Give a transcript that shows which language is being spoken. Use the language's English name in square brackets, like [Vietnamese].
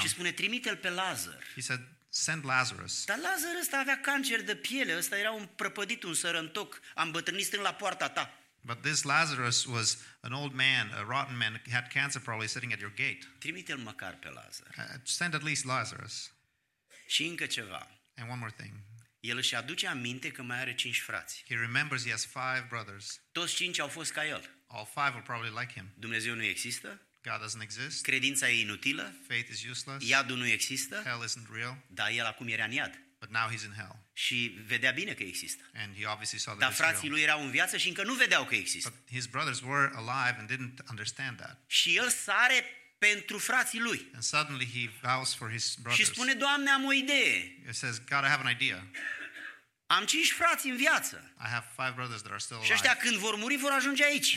[Romanian] Și spune, trimite-l pe Lazar. [English] He said, send Lazarus. [Romanian] Dar Lazar ăsta avea cancer de piele, ăsta era un prăpădit, un sărăntoc, am bătrânit stând la poarta ta. [English] But this Lazarus was an old man, a rotten man, had cancer probably sitting at your gate. [Romanian] Trimite-l măcar pe Lazar. [English] Send at least Lazarus. [Romanian] Și încă ceva. [English] And one more thing. [Romanian] El își aduce aminte că mai are 5 frați. [English] He remembers he has 5 brothers. [Romanian] Toți 5 au fost ca el. [English] All 5 were probably like him. [Romanian] Dumnezeu nu există? [English] God doesn't exist. [Romanian] Credința e inutilă? [English] Faith is useless. [Romanian] Iadul nu există? [English] Hell isn't real. [Romanian] Dar el acum era în iad. [English] But now he's in hell. [Romanian] Și vedea bine că există. [English] And he obviously saw that. [Romanian] Dar frații lui erau în viață și încă nu vedeau că există. [English] But his brothers were alive and didn't understand that. [Romanian] Și el sare pentru frații lui. [English] And suddenly he vows for his brothers. [Romanian] Și spune, Doamne, am o idee. [English] He says, God, I have an idea. [Romanian] Am 5 frați în viață. [English] I have 5 brothers that are still alive. [Romanian] Și ăștia când vor muri vor ajunge aici.